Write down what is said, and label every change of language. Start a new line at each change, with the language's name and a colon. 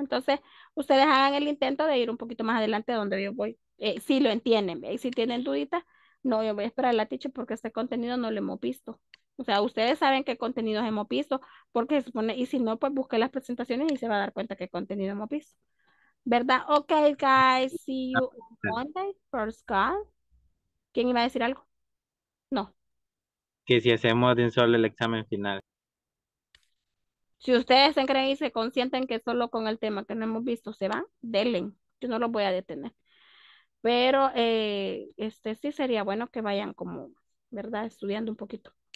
Spanish: Entonces, ustedes hagan el intento de ir un poquito más adelante donde yo voy, si lo entienden, ¿vean? Y si tienen duditas, no, yo voy a esperar a la teacher porque este contenido no lo hemos visto. O sea, ustedes saben qué contenidos hemos visto, porque se supone, y si no, pues busque las presentaciones y se va a dar cuenta qué contenido hemos visto. ¿Verdad?
English: Ok, guys, see you on Monday, first call.
Spanish: ¿Quién iba a decir algo? No. Que si hacemos de un solo el examen final. Si ustedes se creen y se consienten que solo con el tema que no hemos visto se van, denle. Yo no los voy a detener. Pero sí sería bueno que vayan como, ¿verdad? Estudiando un poquito.